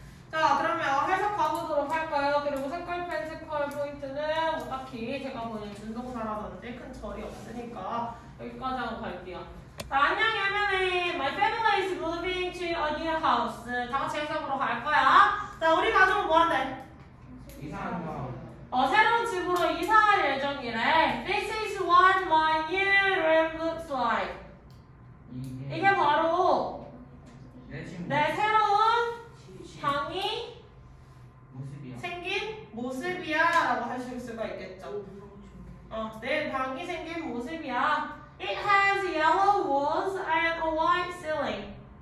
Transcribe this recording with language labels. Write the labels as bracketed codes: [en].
[ko] 자, 그러면 해석 가보도록 할까요? 그리고 색깔 펜스컬 포인트는 뭐 딱히 제가 보낸 준동사라든지 큰 절이 없으니까 여기까지 하고 갈게요. 자, 안녕, 예매네. [en] My family is moving to a new house. [ko] 다 같이 해석으로 갈 거야. 자, 우리 가족은 뭐 한대? 이상한 거. 새로운 집으로 이사할 예정이래. [en] This is what my new room looks like. [ko] 이게 바로 내 새로운 방이 생긴 모습이야 라고 하실 수가 있겠죠. 내 방이 생긴 모습이야. [en] It has yellow walls and a white ceiling.